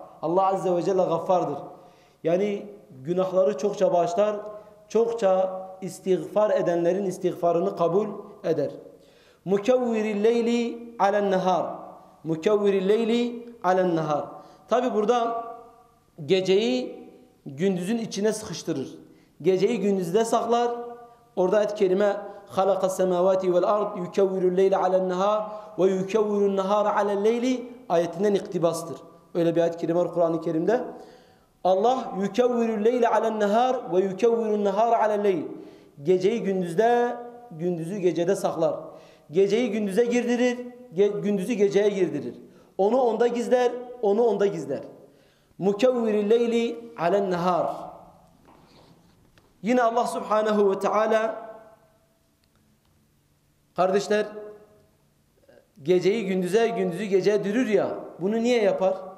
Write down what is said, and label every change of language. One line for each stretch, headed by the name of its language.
Turkish: Allah Azze ve Celle gaffardır. Yani günahları çokça bağışlar, çokça istiğfar edenlerin istiğfarını kabul eder.
Arabic: Mukevviri'l-Leyli alen-Nahar. Mukevviri'l-Leyli alen-Nahar.
Turkish: Tabi burada geceyi gündüzün içine sıkıştırır. Geceyi gündüzde saklar. Orada ayet-i kerime
Arabic: خَلَقَ السَّمَاوَاتِ وَالْاَرْضِ يُكَوِّرُ اللَّيْلَ عَلَى النَّهَارِ وَيُكَوِّرُ النَّهَارَ عَلَى اللَّيْلِ
Turkish: ayetinden iktibastır. Öyle bir ayet-i kerime var Kur'an-ı Kerim'de.
Arabic: Allah يُكَوِّرُ اللَّيْلَ عَلَى النَّهَارِ وَيُكَوِّرُ النَّهَارَ عَلَى اللَّيْلِ
Turkish: geceyi gündüzde, gündüzü gecede saklar. Geceyi gündüze girdirir, gündüzü geceye girdirir. Onu onda gizler, onu onda gizler.
Arabic: مُكَوِّرُ اللَّيْلِ عَلَى النَّهَارِ.
Turkish: Yine Allah Subhanahu ve Teala kardeşler, geceyi gündüze, gündüzü geceye dürür ya, bunu niye yapar?